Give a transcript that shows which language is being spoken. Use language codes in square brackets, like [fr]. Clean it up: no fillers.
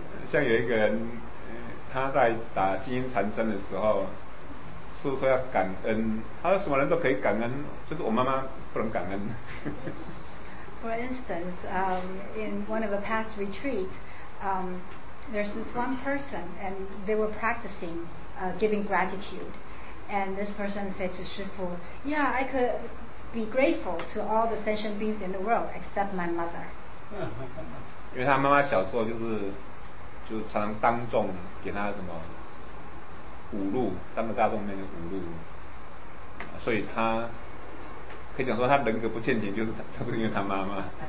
[zh] 像有一个人他在打金蝉身的时候是说要感恩，他说什么人都可以感恩，就是我妈妈不能感恩。 [en] For instance, in one of the past retreats, there's this one person and they were practicing giving gratitude. And this person said to Shi Fu, yeah, I could be grateful to all the sentient beings in the world except my mother. [zh] 因为他妈妈小时候就常常当众给他什么侮辱，当着大众面就侮辱，所以他可以讲说他人格不健全，就是因为他妈妈。